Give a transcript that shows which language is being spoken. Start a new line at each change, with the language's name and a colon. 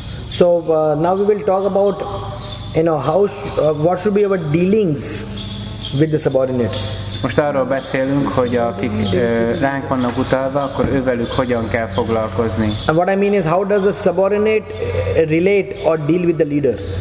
English: So now we will talk about, you know, how what should be our dealings with the subordinates.
Hungarian: Most arról beszélünk, hogy akik ránk vannak utalva, akkor ővelük hogyan kell foglalkozni.
English: And what I mean is, how does a subordinate relate or deal with the leader?